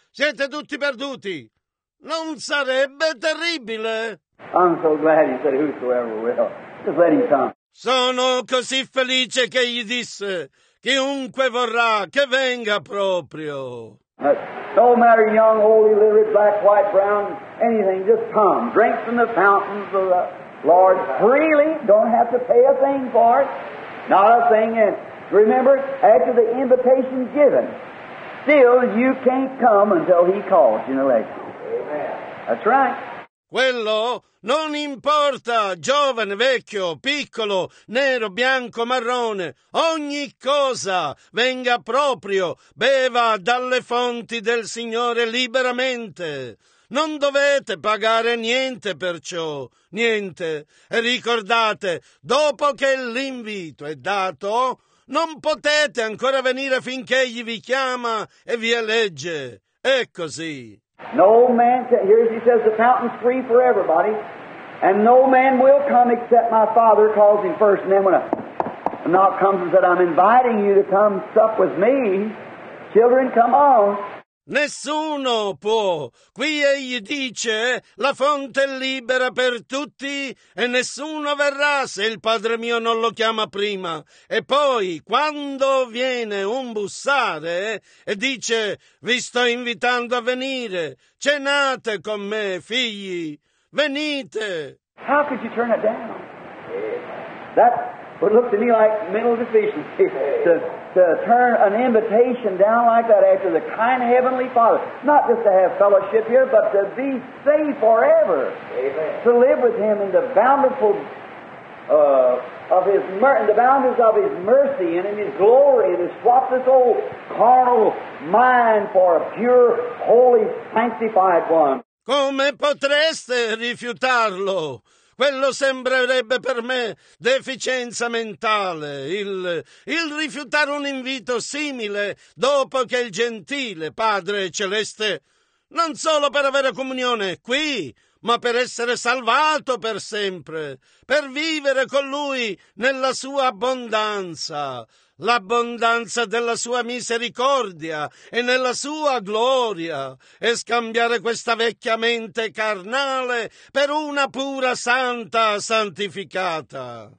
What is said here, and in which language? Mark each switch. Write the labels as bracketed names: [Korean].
[Italian] Siete tutti perduti. Non sarebbe terribile? [English] I'm so glad he said whosoever will. Just let him come. [Italian] Sono così felice che gli disse chiunque vorrà che venga proprio. [English] No matter young, old, illiterate, black, white, brown, anything, just come. Drink from the fountains of the Lord freely. Don't have to pay a thing for it. Not a thing. And remember, after the invitation given, still you can't come until he calls you in election. Amen. That's right. [Italian] Quello non importa, giovane, vecchio, piccolo, nero, bianco, marrone, ogni cosa venga proprio, beva dalle fonti del Signore liberamente. Non dovete pagare niente per ciò, niente. E ricordate, dopo che l'invito è dato, non potete ancora venire finché egli vi chiama e vi elegge. È così. [English] No man can, here he says the fountain's free for everybody, and no man will come except my Father calls him first. And then when a knock comes and said, I'm inviting you to come sup with me, children, come on. [Italian] Nessuno può. Qui egli dice, la fonte è libera per tutti e nessuno verrà se il Padre mio non lo chiama prima. E poi, quando viene un bussare e dice, vi sto invitando a venire, cenate con me, figli, venite. [English] How could you turn it down? That's What looked to me like mental deficiency to turn an invitation down like that after the kind Heavenly Father, not just to have fellowship here, but to be saved forever. Amen. To live with Him in the bountiful of His in the boundaries of His mercy and in His glory, and to swap this old carnal mind for a pure, holy, sanctified one. [Italian] Come potreste rifiutarlo? Quello sembrerebbe per me deficienza mentale, il rifiutare un invito simile dopo che il gentile Padre Celeste, non solo per avere comunione qui, ma per essere salvato per sempre, per vivere con Lui nella sua abbondanza, l'abbondanza della sua misericordia e nella sua gloria, e scambiare questa vecchia mente carnale per una pura santa santificata.